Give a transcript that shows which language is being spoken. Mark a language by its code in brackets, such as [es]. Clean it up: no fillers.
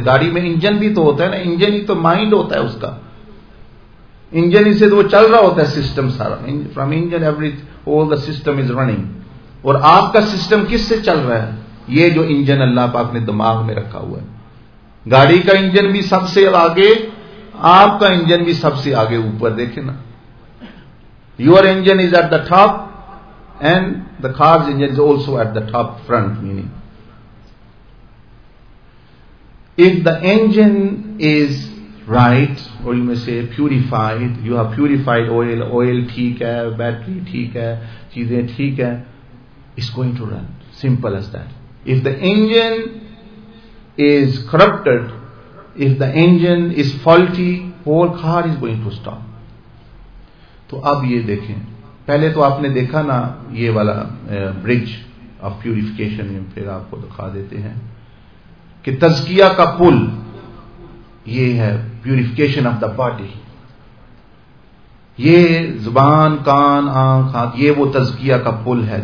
[hi] गाड़ी में इंजन भी तो होता है ना, इंजन ही तो माइंड होता है उसका. इंजन ही से तो वो चल रहा होता है सिस्टम सारा. [en] From engine every all the system is running. [hi] और आपका सिस्टम किस से चल रहा है? ये जो इंजन अल्लाह पाक ने दिमाग में रखा हुआ है. गाड़ी का इंजन भी सबसे आगे, आपका इंजन भी सबसे आगे ऊपर. देखे ना, [en] your engine is at the top and the car's engine is also at the top front. Meaning, if the engine is right, or you may say purified, you have purified oil [hi] theek hai, battery theek hai, cheeze theek hai, [en] it's going to run, simple as that. If the engine is corrupted, if the engine is faulty, whole car is going to stop. [hi] तो अब ये देखें, पहले तो आपने देखा ना ये वाला [en] bridge of purification, [hi] फिर आपको दिखा देते हैं कि तज़किया का पुल ये है, [en] Purification of the body. [hi] ये जुबान, कान, आंख, हाथ, ये वो तज़किया का पुल है.